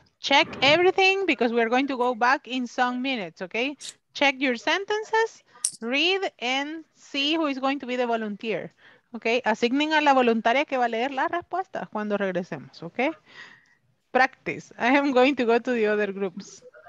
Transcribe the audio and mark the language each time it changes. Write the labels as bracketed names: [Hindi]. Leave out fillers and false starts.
[English] Check everything because we're going to go back in some minutes, okay? Check your sentences, read, and see who is going to be the volunteer, okay? [Spanish] Asignen a la voluntaria que va a leer la respuesta cuando regresemos, okay? [English] Practice. I am going to go to the other groups.